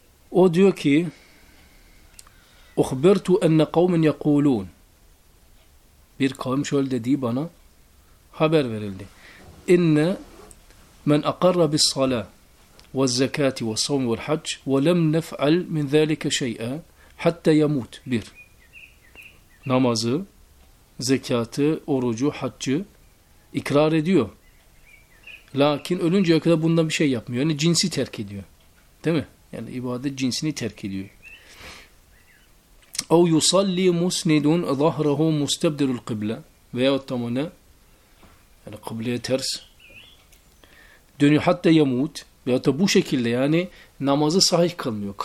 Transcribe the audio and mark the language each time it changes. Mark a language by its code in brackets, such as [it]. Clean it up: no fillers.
[tr] O diyor ki, [ar] أخبرتُ أن قومٍ يقولون. [tr] Bir kavim şöyle dedi bana, haber verildi. [ar] إن من أقر بالصلاة والزكاة والصوم والحج ولم نفعل من ذلك شيئا حتى يموت. [tr] Bir. Namazı, zekatı, orucu, haccı ikrar ediyor. Lakin ölünceye kadar bundan bir şey yapmıyor. Yani cinsi terk ediyor. Değil mi? Yani ibadet cinsini terk ediyor. [ar] اَوْ يُصَلِّي مُسْنِدٌ ظَهْرَهُ مُسْتَبْدِلُ الْقِبْلَةِ [tr] Veyahut da ona, yani kıbleye ters dönüyor, hatta yamut, veyahut da bu şekilde, yani namazı sahih kılmıyor.